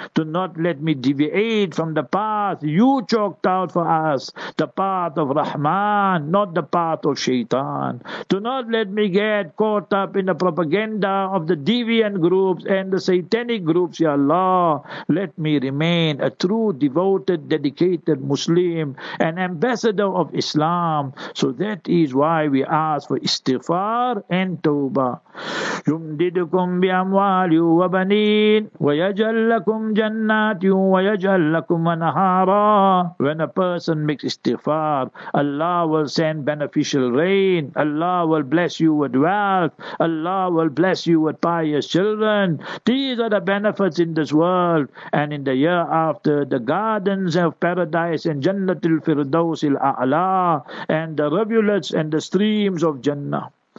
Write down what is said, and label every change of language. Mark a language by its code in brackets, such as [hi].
[en] Do not let me deviate from the path You chalked out for us, the path of Rahman, not the path of Shaitan. Do not let me get caught up in the propaganda propaganda of the deviant groups and the satanic groups, Ya Allah. Let me remain a true, devoted, dedicated Muslim, an ambassador of Islam. So that is why we ask for istighfar and tawbah. [ar] يمددكم بأموال وبنين ويجعل لكم جنات ويجعل لكم أنهارا. [en] When a person makes istighfar, Allah will send beneficial rain. Allah will bless you with wealth. Allah will bless you with pious children. These are the benefits in this world. And in the year after, the gardens of paradise and Jannatul Firdaus al-A'la, and the rivulets and the streams of Jannah.